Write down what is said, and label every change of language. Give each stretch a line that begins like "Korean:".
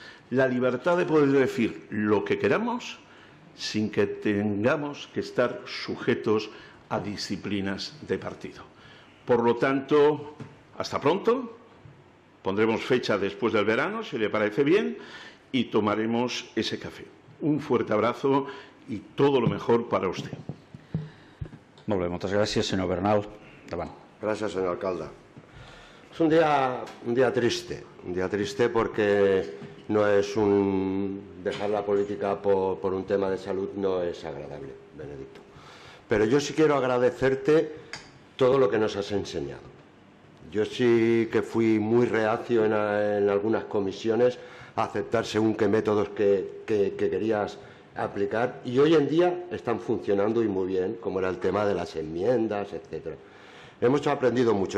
Spanish: La libertad de poder decir lo que queramos sin que tengamos que estar sujetos a disciplinas de partido. Por lo tanto, hasta pronto. Pondremos fecha después del verano, si le parece bien, y tomaremos ese café. Un fuerte abrazo y todo lo mejor para usted.
Catalan: Molt bé, moltes gràcies, senyor Bernal. Davant. Gràcies, senyor alcalde. És un dia
Spanish: triste.
Catalan: Un dia
Spanish: triste
Catalan: perquè no és un deixar la política per un tema de salut no és agradable, Benedicto. Però jo
Spanish: sí quiero agradecerte todo lo que nos has enseñado. Yo sí que fui muy reacio en algunas comisiones a aceptar según qué métodos que querías aplicar, y hoy en día están funcionando y muy bien, como era el tema de las enmiendas, etcétera. hemos aprendido mucho.